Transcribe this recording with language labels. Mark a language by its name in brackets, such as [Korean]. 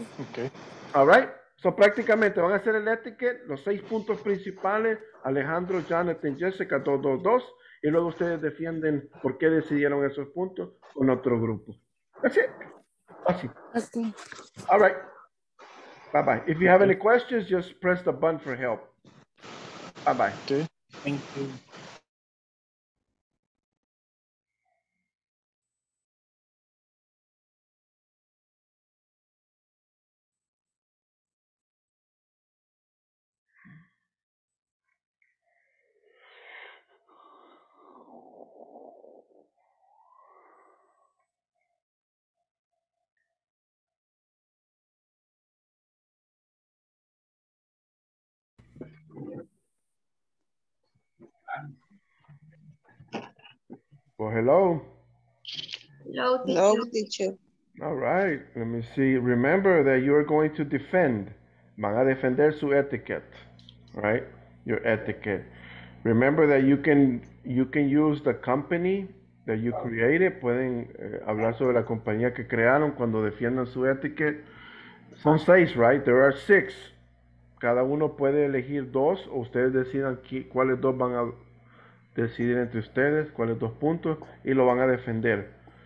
[English] Okay. All right. [Spanish] So prácticamente van a hacer el etiquette, los seis puntos principales, Alejandro, Jonathan, Jessica, 2, 2, 2. y luego ustedes defienden por qué decidieron esos puntos con otro grupo. Así. Así. [English] Okay. All right. Bye bye. If you have any questions, just press the button for help. Bye bye. Okay. Thank you. Well, hello. Hello, teacher. All right. Let me see. Remember that you are going to defend. [Spanish] Van a defender su etiquette, right? [English] Your etiquette. Remember that you can use the company that you created. [Spanish] Pueden hablar sobre la compañía que crearon cuando defiendan su etiquette. Son seis, right? [English] There are six. [Spanish] Cada uno puede elegir dos o ustedes decidan cuáles dos van a decidir entre ustedes, cuáles dos puntos, y lo van a defender.